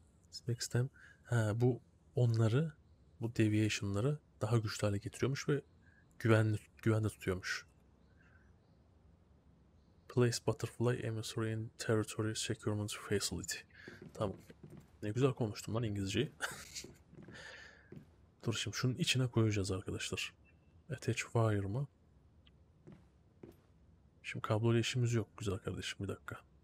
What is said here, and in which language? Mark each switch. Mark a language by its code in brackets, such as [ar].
[tr] Sistem bu onları bu deviation'ları daha güçlü hale getiriyormuş ve güvende tutuyormuş. [en] Place butterfly emissary in territory securement facility. [tr] Tamam. Ne güzel konuştum lan İngilizceyi. Dur şimdi şunun içine koyacağız arkadaşlar. [en] Attach wire [tr] mı? Şimdi kabloyla işimiz yok güzel kardeşim bir dakika.